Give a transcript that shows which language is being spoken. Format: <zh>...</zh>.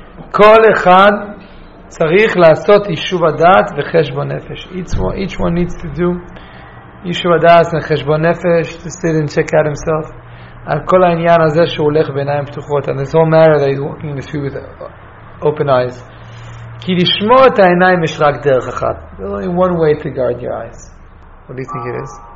<he>כל אחד צריך לעשות יישוב הדעת וחשבון נפש.</he> <en>Each one needs to do</en> <he>יישוב הדעת וחשבון נפש</he> <en>to sit and check out himself</en> <he>על כל העניין הזה שהוא הולך בעיניים פתוחות.</he> <en>And it's all matter that he's walking in the street with open eyes.</en> <he>כי לשמור את העיניים יש רק דרך אחת.</he> <en>There's only one way to guard your eyes. What do you think it is?</en>